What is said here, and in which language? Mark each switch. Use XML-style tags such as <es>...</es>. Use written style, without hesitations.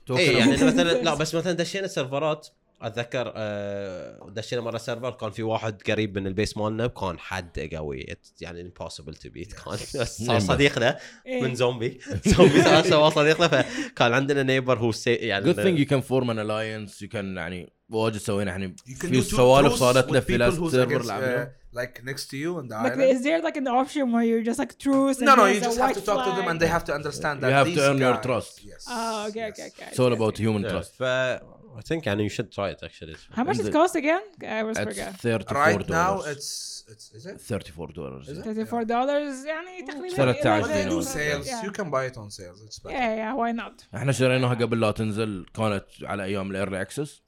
<ar>يعني مثلا لا بس مثلا دشينا سيرفرات اتذكر دشينا مره سيرفر كان في واحد قريب من البيس مالنا كان حد قوي يعني</ar> <en>impossible to beat</en> <ar>كان صار صديقنا من زومبي زومبي سوا صديقنا فكان عندنا نيبر هو يعني</ar> <en>جود ثينج يو كان فورم ان الاينس يو كان</en> <ar>يعني واجد سوينا يعني في سوالف صارتنا في</ar> <en>last server like next to you and like is there like an option where you're just like truce no you just have to talk to them and they have to understand that you have to earn your trust yes okay it's all about human trust I think and you should try it actually how much does it cost again I was forget right now it's $34 $34</en> <ar>يعني تقريبا</ar> <en>on sales you can buy it on sales it's better yeah why not</en> <ar>احنا شريناها قبل لا تنزل كانت على ايام الايرلي اكسس</ar>